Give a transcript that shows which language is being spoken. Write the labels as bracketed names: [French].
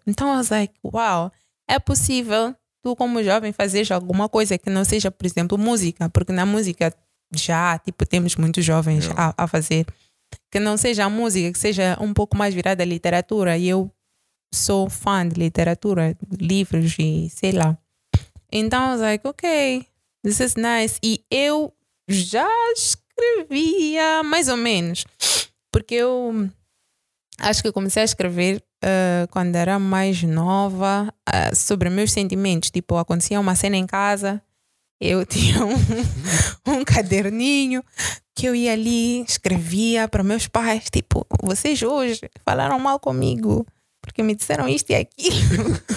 [Portuguese] Então [English] I was like, wow, [Portuguese] é possível tu como jovem fazeres alguma coisa que não seja, por exemplo, música, porque na música já, tipo, temos muitos jovens a fazer, que não seja a música, que seja um pouco mais virada à literatura. E eu sou fã de literatura, livros e sei lá. [English] Então I was like, ok, this is nice. [Portuguese] E eu já escrevia mais ou menos, porque eu acho que eu comecei a escrever quando era mais nova, sobre meus sentimentos. Tipo, acontecia uma cena em casa, eu tinha um caderninho que eu ia ali, escrevia para meus pais, tipo, vocês hoje falaram mal comigo porque me disseram isto e aquilo.